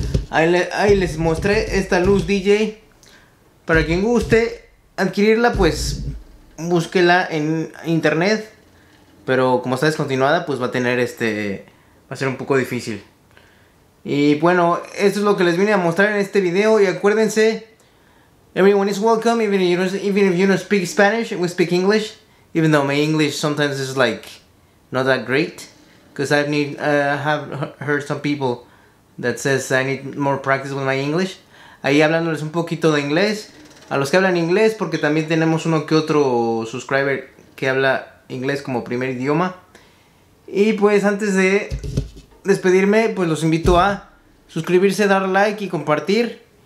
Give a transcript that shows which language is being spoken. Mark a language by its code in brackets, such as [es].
[es] Ahí les mostré esta luz DJ. Para quien guste adquirirla, pues búsquela en internet. Pero como está descontinuada, pues va a tener va a ser un poco difícil. Y bueno, esto es lo que les vine a mostrar en este video. Y acuérdense, [en] everyone is welcome, even if you don't speak Spanish, we speak English. Even though my English sometimes is like not that great, because I have heard some people that says I need more practice with my English. [es] Ahí hablándoles un poquito de inglés, a los que hablan inglés, porque también tenemos uno que otro subscriber que habla inglés como primer idioma. Y pues antes de despedirme, pues los invito a suscribirse, dar like y compartir.